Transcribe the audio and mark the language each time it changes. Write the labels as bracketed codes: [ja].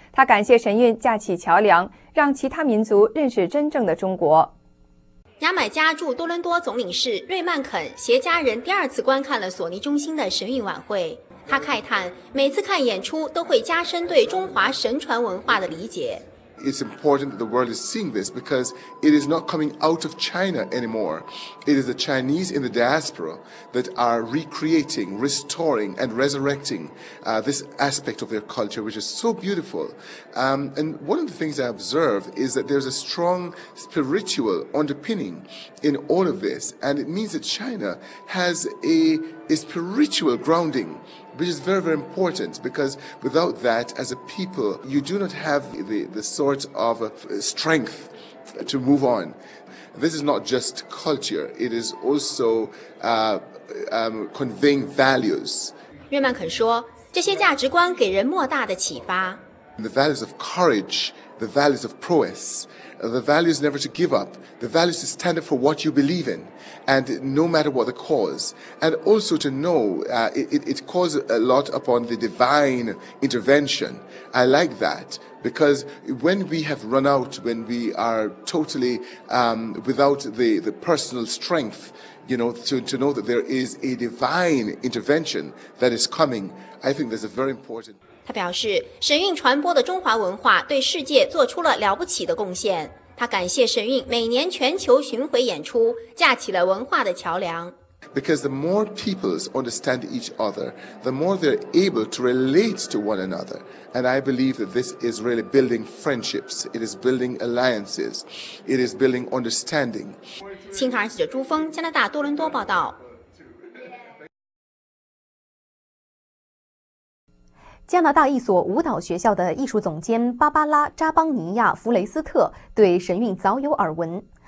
[zh] 他感谢神韵架起桥梁，让其他民族认识真正的中国。牙买加驻多伦多总领事瑞曼肯携家人第二次观看了索尼中心的神韵晚会。他慨叹，每次看演出都会加深对中华神传文化的理解。 [en] It's important that the world is seeing this because it is not coming out of China anymore. It is the Chinese in the diaspora that are recreating, restoring, and resurrecting this aspect of their culture, which is so beautiful. And one of the things I observe is that there's a strong spiritual underpinning in all of this, and it means that China has a spiritual grounding. Which is very, very important because without that, as a people, you do not have the sort of strength to move on. This is not just culture, it is also conveying values. [zh] 瑞曼肯说，这些价值观给人莫大的启发。 [en] The values of courage, the values of prowess, the values never to give up, the values to stand up for what you believe in, and no matter what the cause, and also to know it calls a lot upon the divine intervention. I like that because when we have run out, when we are totally without the personal strength, you know, to know that there is a divine intervention that is coming, I think that's a very important. [zh] 他表示，神韵传播的中华文化对世界做出了了不起的贡献。他感谢神韵每年全球巡回演出，架起了文化的桥梁。 [en] Because the more peoples understand each other, the more they're able to relate to one another. And I believe that this is really building friendships. It is building alliances. It is building understanding. [zh] 新唐人记者朱峰，加拿大多伦多报道。加拿大一所舞蹈学校的艺术总监芭芭拉·扎邦尼亚·弗雷斯特对神韵早有耳闻。